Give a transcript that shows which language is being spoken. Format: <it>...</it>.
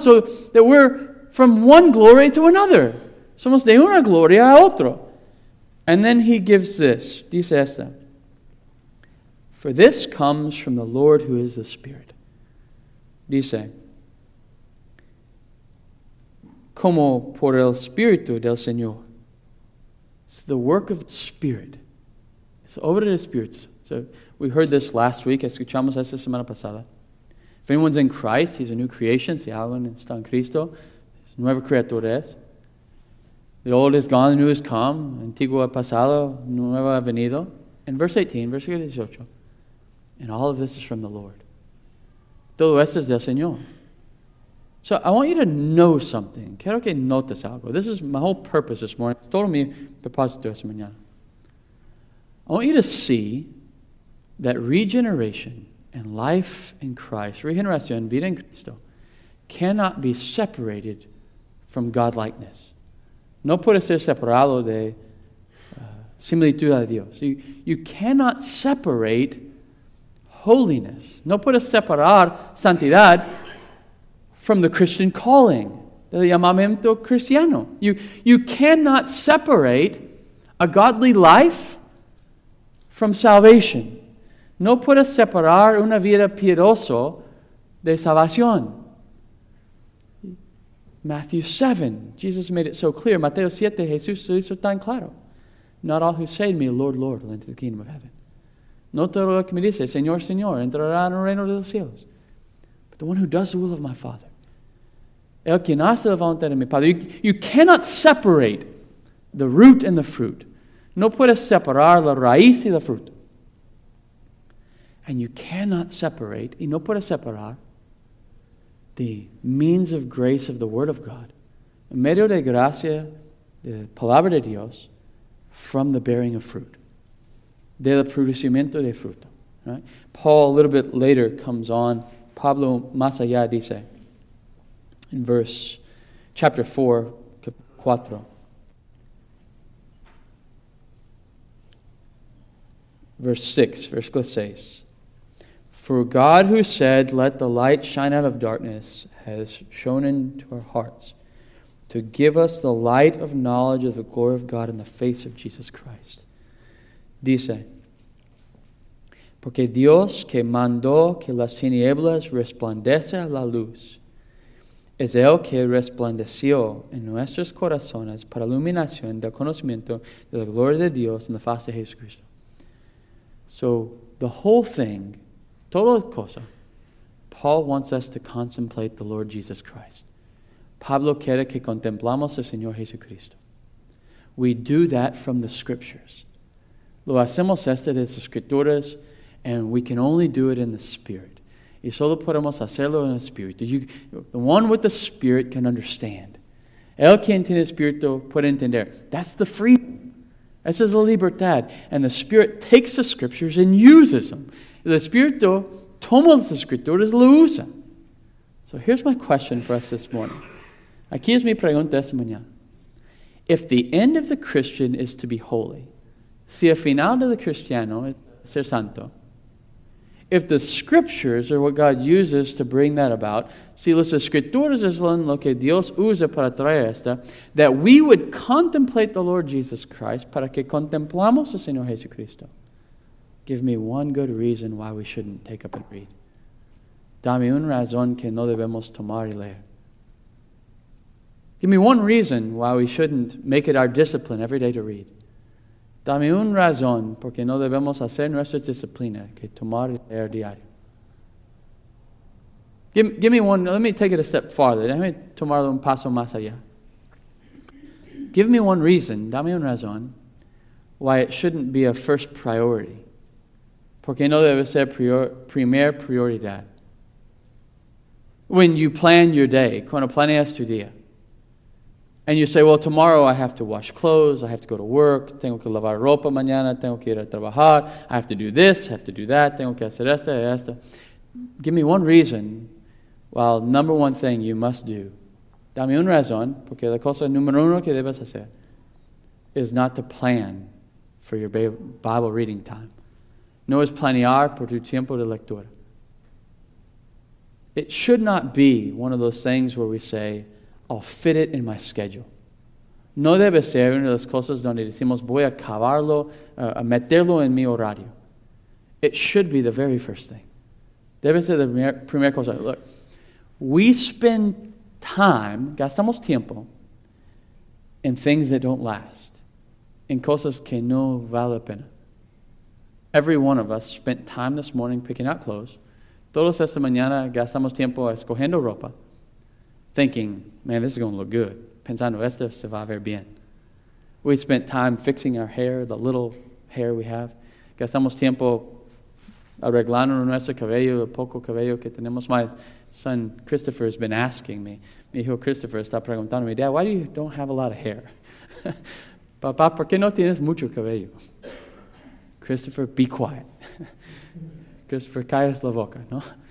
<en>So that we're from one glory to another.</en> <es>Somos de una gloria a otro.</es> <en>And then he gives this.</en> <es>Dice esta.</es> <en>For this comes from the Lord who is the Spirit.</en> <es>Dice. Como por el Espíritu del Señor.</es> <en>It's the work of the Spirit. It's</en> <es>obra del Espíritu.</es> <en>So we heard this last week.</en> <es>Escuchamos esta semana pasada.</es> <en>If anyone's in Christ, he's a new creation.</en> <es>Si alguien está en Cristo, es nueva criatura.</es> <en>The old is gone, the new is come.</en> <es>Antiguo ha pasado, nuevo ha venido.</es> <en>And verse 18,</en> <es>versículo 18.</es> <en>And all of this is from the Lord.</en> <es>Todo esto es del Señor.</es> <en>So I want you to know something.</en> <es>Quiero que notes algo.</es> <en>This is my whole purpose this morning.</en> <es>Es todo mi propósito esta mañana.</es> <en>I want you to see that regeneration and life in Christ,</en> <es>regeneración, vida en Cristo,</es> <en>cannot be separated from Godlikeness.</en> <es>No puede ser separado de similitud a Dios.</es> <en>You cannot separate holiness.</en> <es>No puede separar santidad</es> <en>from the Christian calling,</en> <es>el llamamiento cristiano.</es> <en>You cannot separate a godly life from salvation.</en> <es>No puede separar una vida piedosa de salvación.</es> <en>Matthew 7, Jesus made it so clear.</en> <es>Mateo 7, Jesús lo hizo tan claro.</es> <en>Not all who say to me, Lord, Lord, will enter the kingdom of heaven.</en> <es>No todo lo que me dice, Señor, Señor, entrará en el reino de los cielos.</es> <en>But the one who does the will of my Father.</en> <es>El quien hace la voluntad de mi Padre.</es> <en>You cannot separate the root and the fruit.</en> <es>No puedes separar la raíz y la fruta.</es> <en>And you cannot separate,</en> <es>y no puedes separar,</es> <en>the means of grace of the Word of God,</en> <es>en medio de gracia, de palabra de Dios,</es> <en>from the bearing of fruit,</en> <es>del producimiento de fruto.</es> <en>Right? Paul, a little bit later, comes on.</en> <es>Pablo, más allá, dice,</es> <en>in verse, chapter 4, 4. Verse 6,</en> <es>versículo 6.</es> <en>For God who said, let the light shine out of darkness, has shone into our hearts to give us the light of knowledge of the glory of God in the face of Jesus Christ.</en> <es>Dice, porque Dios que mandó que las tinieblas resplandece la luz, es el que resplandeció en nuestros corazones para iluminación del conocimiento de la gloria de Dios en la faz de Jesucristo.</es> <en>So the whole thing,</en> <es>toda cosa,</es> <en>Paul wants us to contemplate the Lord Jesus Christ.</en> <es>Pablo quiere que contemplamos al Señor Jesucristo.</es> <en>We do that from the Scriptures.</en> <es>Lo hacemos este de las Escrituras,</es> <en>and we can only do it in the Spirit.</en> <es>Y solo podemos hacerlo en el Espíritu.</es> <en>The one with the Spirit can understand.</en> <es>El quien tiene Espíritu puede entender.</es> <en>That's the freedom.</en> <es>Esa es la libertad.</es> <en>And the Spirit takes the Scriptures and uses them.</en> <es>El Espíritu toma las Escrituras y lo usa.</es> <en>So here's my question for us this morning.</en> <es>Aquí es mi pregunta esta mañana.</es> <en>If the end of the Christian is to be holy,</en> <es>si el final de el cristiano es ser santo,</es> <en>if the Scriptures are what God uses to bring that about,</en> <es>si las Escrituras es lo que Dios usa para traer esta,</es> <en>that we would contemplate the Lord Jesus Christ</en> <es>para que contemplamos al Señor Jesucristo.</es> <en>Give me one good reason why we shouldn't take up and read.</en> <es>Dame una razón que no debemos tomar y leer.</es> <en>Give me one reason why we shouldn't make it our discipline every day to read.</en> <es>Dame una razón porque no debemos hacer nuestra disciplina que tomar y leer diario.</es> <en>Give me one, let me take it a step farther.</en> <es>Déjame tomar un paso más allá.</es> <en>Give me one reason,</en> <es>dame una razón,</es> <en>why it shouldn't be a first priority.</en> <es>Porque no debe ser primer prioridad.</es> <en>When you plan your day,</en> <es>cuando planeas tu día,</es> <en>and you say, well, tomorrow I have to wash clothes, I have to go to work,</en> <es>tengo que lavar ropa mañana, tengo que ir a trabajar,</es> <en>I have to do this, I have to do that,</en> <es>tengo que hacer esto, esto.</es> <en>Give me one reason, well, number one thing you must do.</en> <es>Dame una razón, porque la cosa número uno que debes hacer</es> <en>is not to plan for your Bible reading time.</en> <es>No es planear por tu tiempo de lectura.</es> <en>It should not be one of those things where we say, I'll fit it in my schedule.</en> <es>No debe ser una de las cosas donde decimos, voy a cavarlo, a meterlo en mi horario.</es> <en>It should be the very first thing.</en> <es>Debe ser la primera cosa.</es> <en>Look, we spend time,</en> <es>gastamos tiempo,</es> <en>in things that don't last, in</en> <es>cosas que no vale la pena.</es> <en>Every one of us spent time this morning picking out clothes.</en> <es>Todos esta mañana gastamos tiempo escogiendo ropa,</es> <en>thinking, man, this is going to look good.</en> <es>Pensando, esto se va a ver bien.</es> <en>We spent time fixing our hair, the little hair we have.</en> <es>Gastamos tiempo arreglando nuestro cabello, el poco cabello que tenemos.</es> <en>My son Christopher has been asking me.</en> <es>Mi hijo Christopher está preguntando me,</es> <en>Dad, why do you don't have a lot of hair?</en> <es>Papá, ¿por qué no tienes mucho cabello?</es> <en>Christopher, be quiet.</en> <es>Christopher, callas la boca, ¿no?</es>